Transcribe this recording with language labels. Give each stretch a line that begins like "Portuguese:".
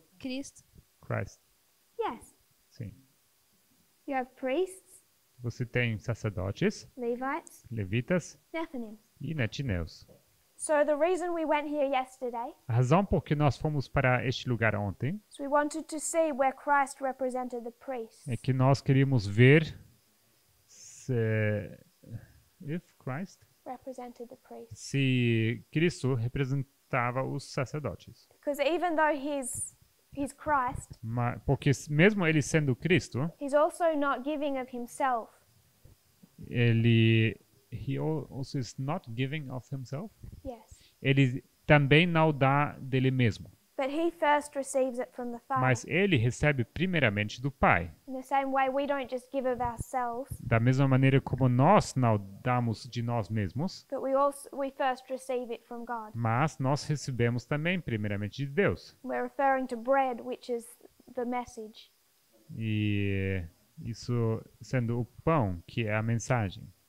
Portuguese: Cristo.
English: Christ. Yes.
Portuguese: Sim.
English: You have priests.
Portuguese: Você tem sacerdotes.
English: Levites.
Portuguese: Levitas.
English: Nethinims.
Portuguese: E netineus.
English: So the reason we went here yesterday.
Portuguese: A razão por que nós fomos para este lugar ontem.
English: So we wanted to see where Christ represented the priests.
Portuguese: É que nós queríamos ver se
English: if Christ represented the priests.
Portuguese: Se Cristo representava os sacerdotes.
English: Because even though he's Christ.
Portuguese: Mas porque mesmo ele sendo Cristo,
English: he's also not giving of himself. He also is not giving of himself. Yes.
Portuguese: Ele também não dá dele mesmo.
English: But he first receives it from the Father.
Portuguese: Mas ele recebe primeiramente do Pai.
English: In the same way we don't just give of ourselves.
Portuguese: Da mesma maneira como nós não damos de nós mesmos.
English: But we first receive it from God.
Portuguese: Mas nós recebemos também primeiramente de Deus.
English: We're referring to bread, which is the message.
Portuguese: E isso sendo o pão, que é a mensagem.